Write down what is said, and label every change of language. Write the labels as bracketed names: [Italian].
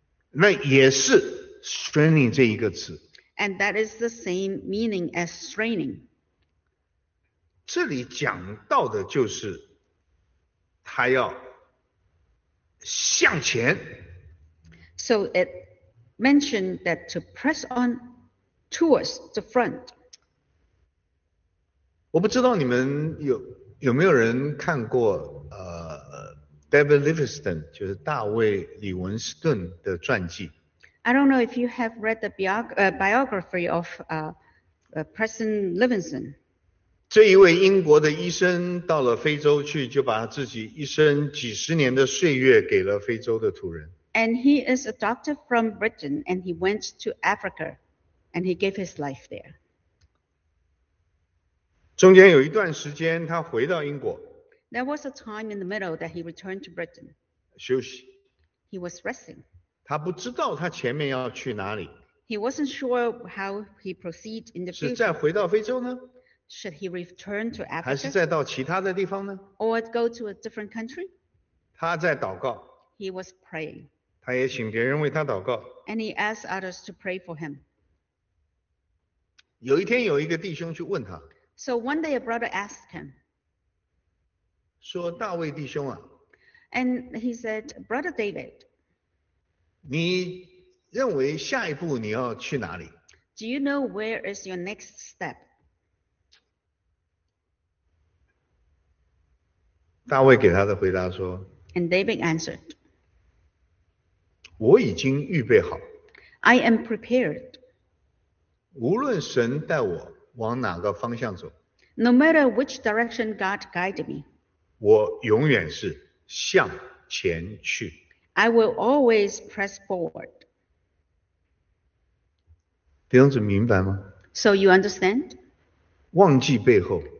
[Chinese] 那也是 straining 这一个词。 [English] And that is the same meaning as straining. [Chinese] 这里讲到的就是他要向前。 [English] So it mentioned that to press on. Towards the front. [Chinese] 我不知道你们有没有人看过David Livingston, 就是大卫李文斯顿的传记。 [English] I don't know if you have read the biography of President Livingston. [Chinese] 这一位英国的医生到了非洲去，就把自己一生几十年的岁月给了非洲的土人。 [English] And he is a doctor from Britain, and he went to Africa. And he gave his life there. [Chinese] 中间有一段时间他回到英国。 [English] There was a time in the middle that he returned to Britain. [Chinese] 休息。 [English] He was resting. [Chinese] 他不知道他前面要去哪里。 [English] He wasn't sure how he proceed in the future. [Chinese] 是再回到非洲呢？ [English] Should he return to Africa? [Chinese] 还是再到其他的地方呢？ [English] Or go to a different country? [Chinese] 他在祷告。 [English] He was praying. [Chinese] 他也请别人为他祷告。 [English] And he asked others to pray for him. [Chinese] 有一天有一个弟兄去问他。 [English] So one day a brother asked him. [Chinese] 说大卫弟兄啊。 [English] And he said, Brother David, [Chinese] 你认为下一步你要去哪里？ [English] Do you know where is your next step? [Chinese] 大卫给他的回答说， [English] And David answered, [Chinese] 我已经预备好。 [English] I am prepared. [Chinese] 无论神带我往哪个方向走， [English] No matter which direction God guide me, [Chinese] 我永远是向前去。 [English] I will always press forward. [Chinese] 弟兄姊妹明白吗？ [English] So you understand? [Chinese] 忘记背后，